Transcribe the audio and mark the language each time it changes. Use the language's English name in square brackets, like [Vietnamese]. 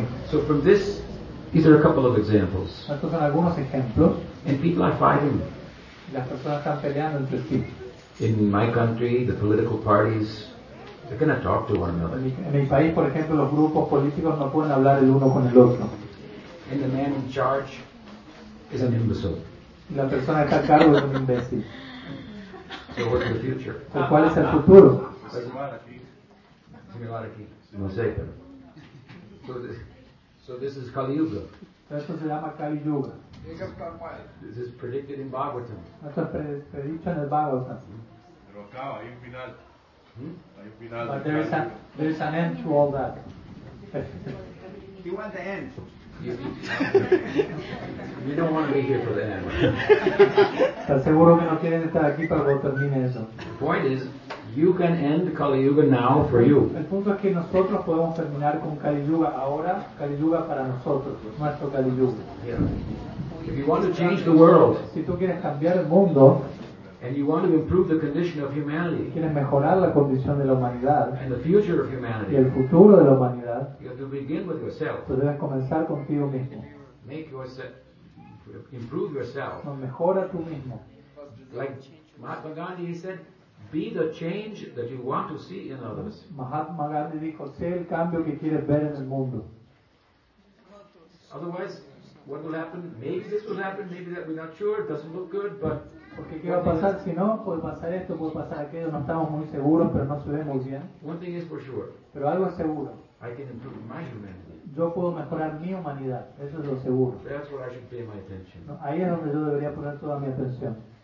[English] So from this, these are a couple of examples. [Spanish] Estos son algunos ejemplos. [English] And people are fighting. [Spanish] Las personas están peleando entre sí. [English] In my country, the political parties, they cannot talk to one another. [Spanish] En mi país, por ejemplo, los grupos políticos no pueden hablar el uno con el otro. [English] And the man in charge is an imbecile. [Spanish] La persona que está a cargo es un imbécil. [English] So what's the future? [Spanish] So ¿cuál es el futuro? No sé, pero. [English] So this is Kali Yuga. [Spanish] Esto se llama Kali Yuga. [English] This is predicted in Bhagavatam. [Spanish] Esto es predicho en el Bhagavatam. Pero acaba, hay un final. Hay un final. [English] But there is an end to all that. You want the end. You don't want to be here for the end. [Spanish] Estás seguro que no quieres estar aquí para que termine eso. [English] The point is, you can end Kali Yuga now for you. [Spanish] El punto es que nosotros podemos terminar con Kali Yuga ahora, Kali Yuga para nosotros, nuestro Kali Yuga. [English] If you want to change the world, [Spanish] si tú quieres cambiar el mundo, [English] and you want to improve the condition of humanity, [Spanish] quieres mejorar la condición de la humanidad, [English] and the future of humanity, [Spanish] y el futuro de la humanidad, [English] you have to begin with yourself. [Spanish] Tú debes comenzar contigo mismo. [English] Make yourself, improve yourself. [Spanish] No, mejora tú mismo. [English] Like Mahatma Gandhi, he said, be the change that you want to see in others. [Spanish] Mahatma Gandhi dijo, sé el cambio que quieres ver en el mundo. [English] Otherwise, what will happen? Maybe this will happen, maybe that, we're not sure, it doesn't look good, but... [Spanish] Porque qué va a pasar si no, puede pasar esto, puede pasar aquello, no estamos muy seguros, pero no se ve muy bien. [English] One thing is for sure. [Spanish] Pero algo es seguro. [English] I can improve my humanity. [Spanish] Yo puedo mejorar mi humanidad, eso es lo seguro. [English] That's where I should pay my attention. [Spanish] No, ahí es donde yo debería poner toda mi atención.